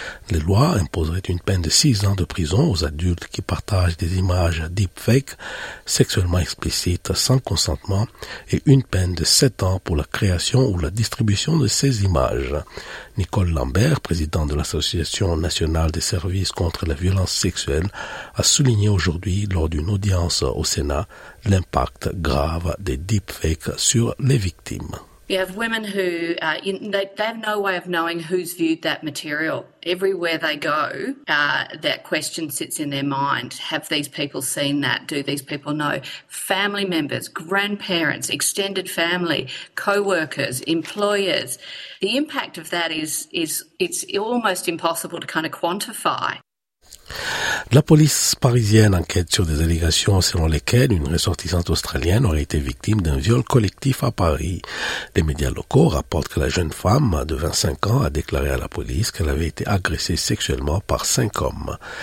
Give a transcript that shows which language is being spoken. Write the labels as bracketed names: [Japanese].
[French] Les lois imposeraient une peine de 6 ans de prison aux adultes qui partagent des images deepfake sexuellement explicites sans consentement et une peine de 7 ans pour la création ou la distribution de ces images. Nicole Lambert, présidente de l'Association nationale des services contre la violence sexuelle, a souligné aujourd'hui, lors d'une audience au Sénat, l'impact grave des deepfakes sur les victimes. [English] You have women who they have no way of knowing who's viewed that material. Everywhere they go, that question sits in their mind. Have these people seen that? Do these people know? Family members, grandparents, extended family, co-workers, employers. The impact of that is it's almost impossible to kind of quantify. [French] La police parisienne enquête sur des allégations selon lesquelles une ressortissante australienne aurait été victime d'un viol collectif à Paris. Les médias locaux rapportent que la jeune femme de 25 ans a déclaré à la police qu'elle avait été agressée sexuellement par 5 hommes.